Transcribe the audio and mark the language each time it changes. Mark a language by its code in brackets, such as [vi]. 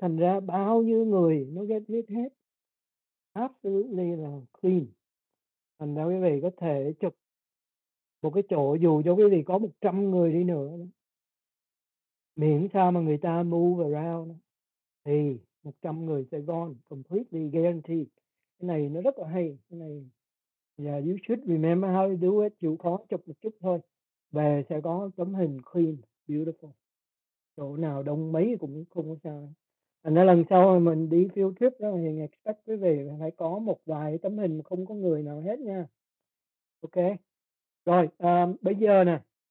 [vi] Thành ra bao nhiêu người nó [en] get rid [vi] hết. [en] Absolutely [vi] là clean. Thành ra quý vị có thể chụp một cái chỗ dù cho cái gì có 100 người đi nữa, miễn sao mà người ta move around thì 100 người Sài Gòn [en] completely guaranteed. [vi] Cái này nó rất là hay. Cái này, [en] yeah, you should remember how to do it. [vi] Chịu khó chụp một chút thôi. Về sẽ có tấm hình [en] clean, beautiful. [vi] Chỗ nào đông mấy cũng không có sao. Thành ra lần sau mình đi [en] field trip [vi] đó, thì [en] expect [vi] quý vị phải có một vài tấm hình không có người nào hết nha. Ok. Rồi, bây giờ nè.